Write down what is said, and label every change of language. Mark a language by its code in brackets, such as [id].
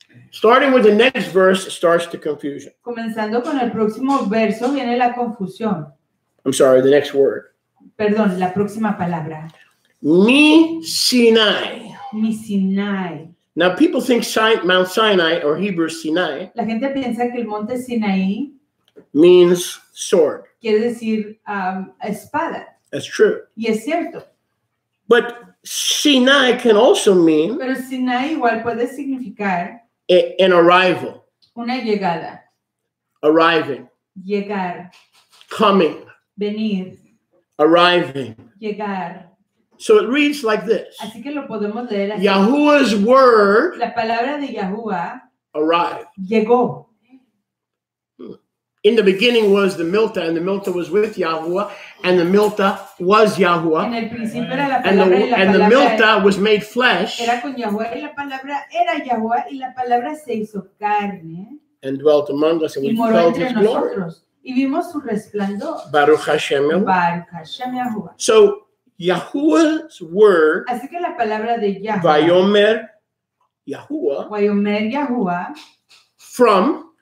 [en] Starting with the next verse starts the confusion. [es] Comenzando con el próximo verso viene la confusión. [en] I'm sorry, the next word. [es] Perdón, la próxima palabra. [he] Mi Sinai. Mi Sinai. [en] Now people think Mount Sinai or Hebrew Sinai. [es] La gente piensa que el monte Sinaí [en] means sword. [es] Quiere decir espada. [en] That's true. [es] Y es cierto. [en] But Sinai can also mean. [es] Pero Sinai igual puede significar [en] an arrival. [es] Una llegada. [en] Arriving. [es] Llegar. [en] Coming. [es] Venir. [en] Arriving. [es] Llegar. [en] So it reads like this. [es] Así que lo podemos leer así. [en] Yahuwah's word. [es] La palabra de Yahuwah. [en] Arrived. [es] Llegó. [en] In the beginning was the Milta, and the Milta was with Yahuwah, and the Milta was Yahuwah. [es] En el principio era la palabra, y la palabra [en] Milta was made flesh. [es] Era con Yahuwah, y la palabra era Yahuwah, y la palabra se hizo carne. [en] And dwelt among us, and we felt his [es] nosotros. [en] Glory. [es] Y vimos su resplandor. [he] Baruch Hashem Yahuwah. Baruch Hashem Yahuwah. [en] So, Yahuwah's word. [es] Así que la palabra de Yahuwah. [he] Vayomer Yahuwah. Vayomer Yahuwah. [en] From.